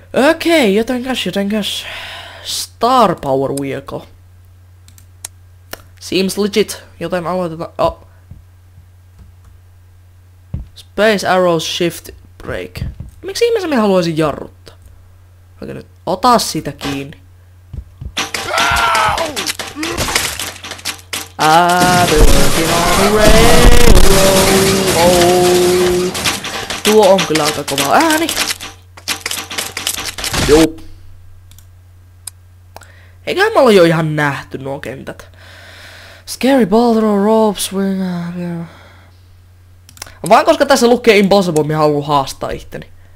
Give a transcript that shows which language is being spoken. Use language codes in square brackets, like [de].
[fi] Okei, jotenkäs. Star Power Vehicle. [en] Seems legit, [fi] joten aloitetaan. Oh. [en] Space Arrow Shift Break. [fi] Miksi ihmisen minä haluaisin jarruttaa? Okei, nyt ota sitä kiinni. [en] I've been working on the railroad. [fi] Tuo on kyllä aika kova ääni. Joo. Eiköhän me olla jo ihan nähty nuo kentät. Scary Baldro Rope Swing. Vaan koska tässä lukee Impossible, minä haluan haastaa itteni.